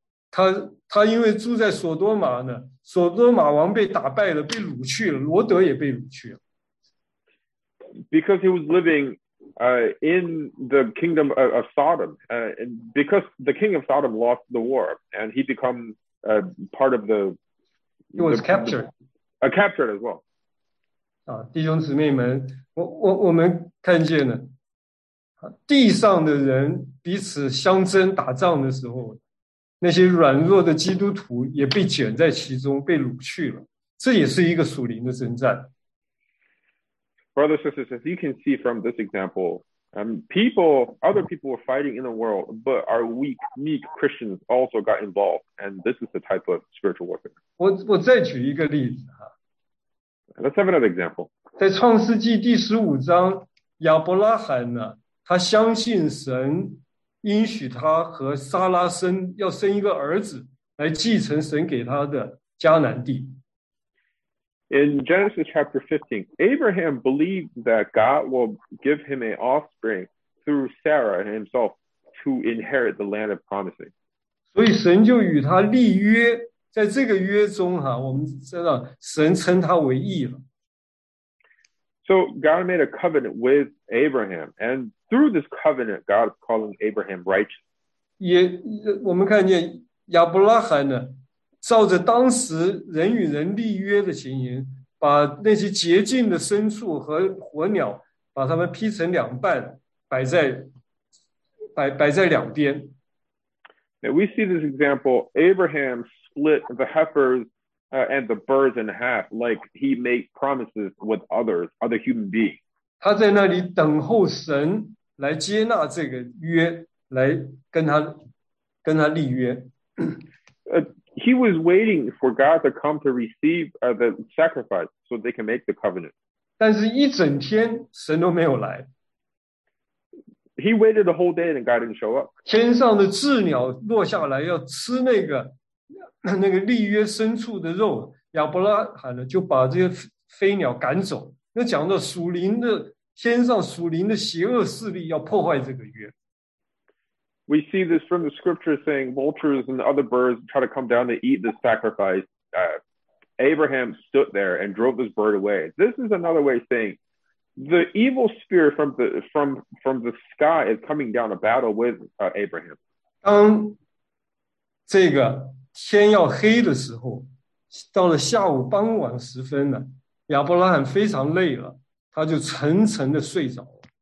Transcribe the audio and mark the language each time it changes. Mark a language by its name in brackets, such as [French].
[Chinese] 他因为住在索多玛呢，索多玛王被打败了，被掳去了，罗德也被掳去了。 [English] Because he was living in the kingdom of Sodom, and because the king of Sodom lost the war, and he became part of the... He was captured. Captured as well. [Chinese] 弟兄姊妹们，我们看见了地上的人彼此相争打仗的时候，那些软弱的基督徒也被卷在其中，被掳去了。这也是一个属灵的征战。 [English] Brothers and sisters, as you can see from this example, other people were fighting in the world, but our weak, meek Christians also got involved, and this is the type of spiritual warfare. [Chinese] 我再举一个例子。 [English] Let's have another example. [Chinese] 在创世纪第十五章，亚伯拉罕呢？他相信神应许他和撒拉要生一个儿子来继承神给他的迦南地。 [English] In Genesis chapter 15, Abraham believed that God will give him an offspring through Sarah and himself to inherit the land of promise. [Chinese] 所以神就与他立约，在这个约中我们知道神称他为义了。 [English] So God made a covenant with Abraham, and through this covenant, God is calling Abraham righteous. [Chinese] 我们看见亚伯拉罕呢，照着当时人与人立约的情形，把那些洁净的牲畜和火鸟，把它们劈成两半，摆在两边。 [English] Now we see this example, Abraham split the heifers and the birds in half, like he made promises with other human beings. [Chinese] 他在那里等候神来接纳这个约，来跟他立约。 [English] He was waiting for God to come to receive the sacrifice so they can make the covenant. [Chinese] 但是一整天神都没有来。 [English] He waited a whole day and God didn't show up. [Chinese] 天上的鸷鸟落下来要吃那个立约牲畜的肉，亚伯拉罕呢就把这些飞鸟赶走。那讲到属灵的天上属灵的邪恶势力要破坏这个约。 [English] We see this from the scripture saying vultures and other birds try to come down to eat the sacrifice. Abraham stood there and drove this bird away. This is another way of saying the evil spirit from the sky is coming down to battle with Abraham. [Chinese] 当这个天要黑的时候，到了下午傍晚时分呢，亚伯拉罕非常累了，他就沉沉的睡着了。